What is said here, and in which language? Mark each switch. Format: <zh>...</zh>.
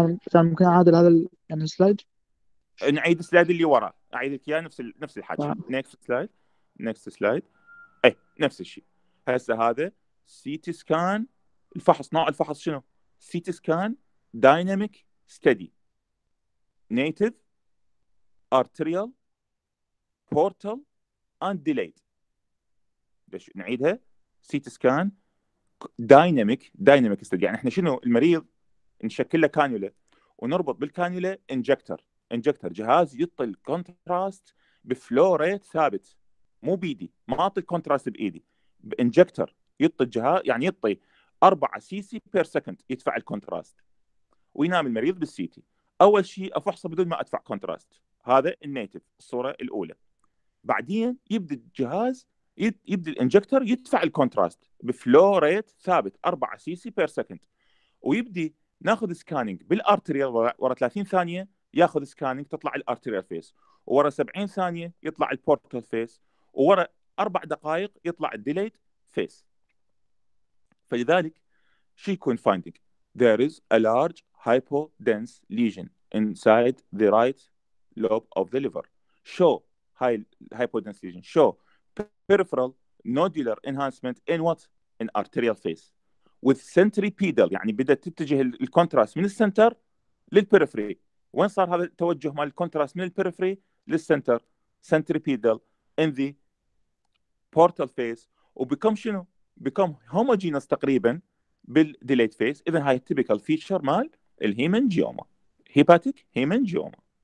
<ar>سام ممكن أعاد هذا يعني slide؟ نعيد slide اللي وراء، أعيدك إياه نفس الحاجة. next slide. إيه نفس الشيء.</ar> <en>هسه هذا CT scan،</en> <ar>الفحص نوع الفحص شنو؟</ar> <en>CT scan dynamic steady native arterial portal and delayed. بس نعيدها CT scan dynamic steady.</en> <ar>يعني احنا شنو المريض نشكل له كانيولا ونربط بالكانيولا انجكتر جهاز يطل كونتراست بفلوريت ثابت مو بيدي، ما اعطي كونتراست بايدي، بانجكتر يطل جهاز يعني يطي 4 سي سي بير سكند يدفع الكونتراست وينام المريض بالسيتي. اول شيء افحصه بدون ما ادفع كونتراست، هذا النيتف الصوره الاولى. بعدين يبدا الجهاز يبدا الانجكتور يدفع الكونتراست بفلو ريت ثابت 4 سي سي بير سكند، ويبدي ناخذ سكانينج بالارتريال ورا 30 ثانيه ياخذ سكانينج تطلع الارتريال فيس، ورا 70 ثانيه يطلع البورتال فيس، ورا 4 دقائق يطلع الديليت فيس. فلذلك شي يكون فايندينج</ar> <en>there is a large hypodense lesion inside the right lobe of the liver show hypodense lesion show peripheral nodular enhancement in what in arterial phase with centripetal</en> <ar>يعني بدأت تتجه الكونتراست من السنتر للبيريفري. وين صار هذا التوجه مع الكونتراست من البيريفري للسنتر</ar> <en>centripetal in the portal phase</en> <ar>وبكم شنو بكم homogeneous تقريبا بالديليت فيس. إذن هاي تيبيكال فيتشر مال الهيمنجيوما هيباتيك هيمنجيوما.</ar>